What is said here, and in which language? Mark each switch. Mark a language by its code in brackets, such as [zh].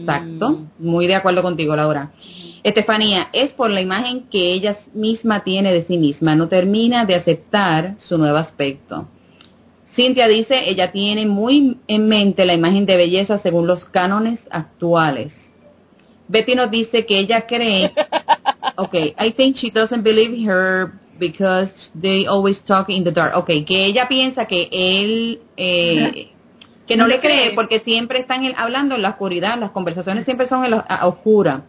[es] Exacto, muy de acuerdo contigo, Laura. Estefanía, es por la imagen que ella misma tiene de sí misma, no termina de aceptar su nuevo aspecto. Cintia dice, ella tiene muy en mente la imagen de belleza según los cánones actuales. Betty nos dice que ella cree... [en] Okay, I think she doesn't believe her because they always talk in the dark. [es] Okay, que ella piensa que él... que no le cree porque siempre están hablando en la oscuridad. Las conversaciones siempre son en la oscura.